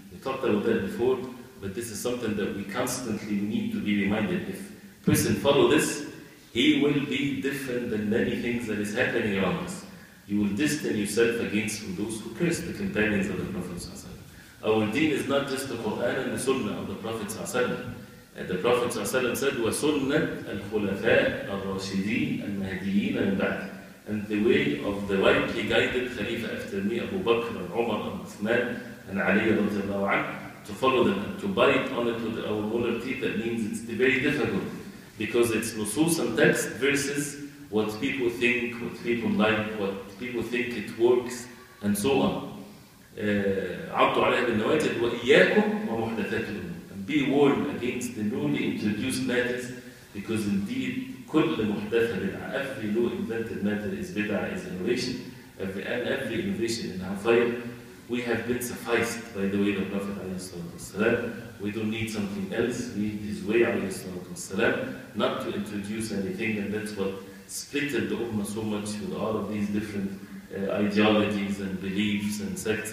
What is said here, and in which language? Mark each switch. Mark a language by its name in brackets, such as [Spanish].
[English] We talked about that before, but this is something that we constantly need to be reminded. If a person follow this, he will be different than many things that is happening around us. You will distance yourself against from those who curse the companions of the Prophet ﷺ. Our deen is not just the Quran and the Sunnah of the Prophet ﷺ. And the Prophet [Arabic] ﷺ said, وَسُنَّةَ الْخُلَفَاءَ الرَّاشِدِينَ الْمَهْدِيِينَ الْبَعْدِ. [English] And the way of the rightly guided Khalifa after me, Abu Bakr and Umar and Uthman and Ali رضي الله عنه, to follow them and to bite on it with our molar teeth, that means it's very difficult because it's nusus and text versus what people think, what people like, what people think it works, and so on. [Arabic] عضوا عليها بالنواجد وإياكم ومحدثات الأمور. [English] And be warned against the newly introduced matters, because indeed [Arabic] كل محدثة بدعة. [English] Every new invented matter is بدعة, is innovation. Every innovation in our fire, we have been sufficed by the way of Prophet عليه الصلاة والسلام. We don't need something else. We need his way عليه الصلاة والسلام, not to introduce anything, and that's what splitted the Ummah so much with all of these different ideologies and beliefs and sects.